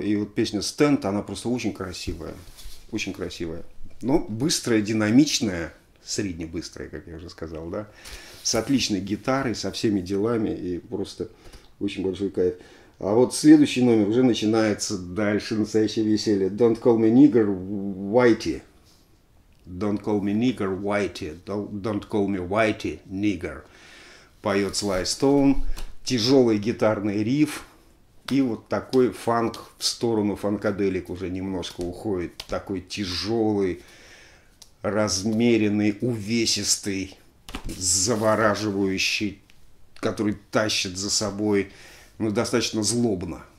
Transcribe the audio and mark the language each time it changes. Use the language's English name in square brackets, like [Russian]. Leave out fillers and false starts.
[Russian] И вот песня «Stand», она просто очень красивая. Очень красивая. Но быстрая, динамичная. Среднебыстрая, как я уже сказал, да, с отличной гитарой, со всеми делами, и просто очень большой кайф. А вот следующий номер уже начинается дальше, настоящее веселье. [English] Don't call me nigger, whitey. Don't call me nigger, whitey. Don't call me whitey, nigger. [Russian] Поет Sly Stone, тяжелый гитарный риф, и вот такой фанк в сторону фанкаделик уже немножко уходит, такой тяжелый, размеренный, увесистый, завораживающий, который тащит за собой, ну, достаточно злобно,